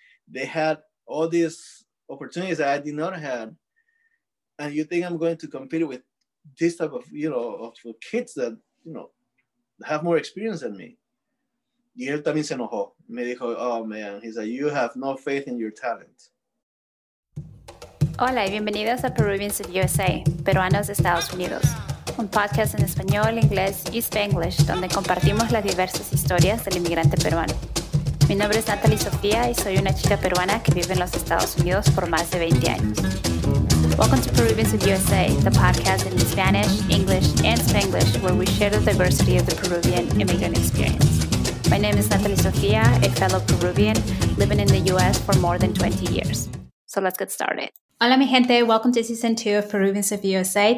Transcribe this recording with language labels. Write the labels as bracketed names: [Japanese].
[English] They had all these opportunities that I did not have. And you think I'm going to compete with this type of, you know, of kids that, you know, have more experience than me. [Spanish] Y él también se enojó. Me dijo, [English] oh man, he said, you have no faith in your talent. [Spanish] Hola y bienvenidos a Peruvians of USA, Peruanos de Estados Unidos, un podcast en español, inglés y Spanglish, donde compartimos las diversas historias del inmigrante peruano. Mi nombre es Natalie Sofía y soy una chica peruana que vive en los Estados Unidos por más de 20 años. [English] Welcome to Peruvians of USA, the podcast in Spanish, English, and Spanglish, where we share the diversity of the Peruvian immigrant experience. My name is Natalie Sofía, a fellow Peruvian living in the U.S. for more than 20 years. So let's get started. [Spanish] Hola mi gente, [English] welcome to season 2 of Peruvians of USA.